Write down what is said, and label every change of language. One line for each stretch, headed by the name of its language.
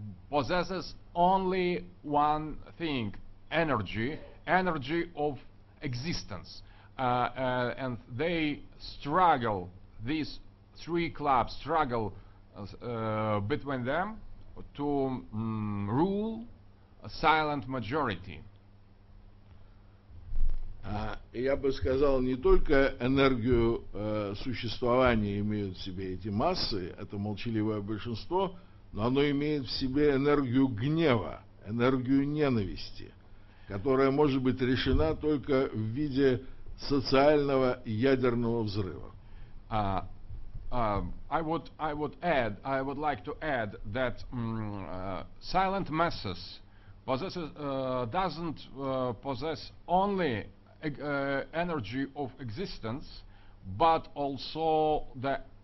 English: possesses only one thing, energy of existence, and they struggle, these three clubs struggle between them to rule a silent majority.
Russian: Я бы сказал, не только энергию существования имеют в себе эти массы, это молчаливое большинство, но оно имеет в себе энергию гнева, энергию ненависти, которая может быть решена только в виде социального ядерного взрыва.
English: I would like to add that silent masses doesn't possess only energy of existence, but also the